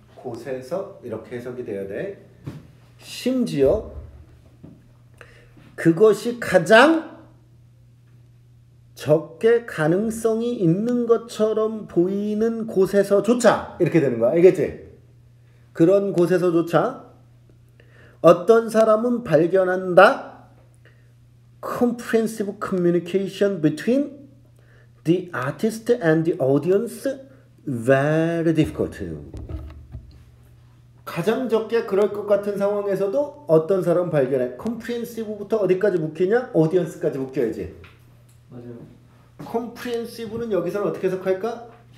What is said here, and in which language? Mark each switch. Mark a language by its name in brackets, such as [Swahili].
[Korean] 곳에서 이렇게 해석이 돼야 돼. 심지어 그것이 가장 적게 가능성이 있는 것처럼 보이는 곳에서조차 이렇게 되는 거야. 알겠지? 그런 곳에서조차 어떤 사람은 발견한다. [English] Comprehensive communication between the artist and the audience very difficult. [Korean] 가장 적게 그럴 것 같은 상황에서도 어떤 사람 발견해. Comprehensive부터 어디까지 묶이냐? Audience까지 묶여야지. 맞아요. Comprehensive는 여기서는 어떻게 해석할까?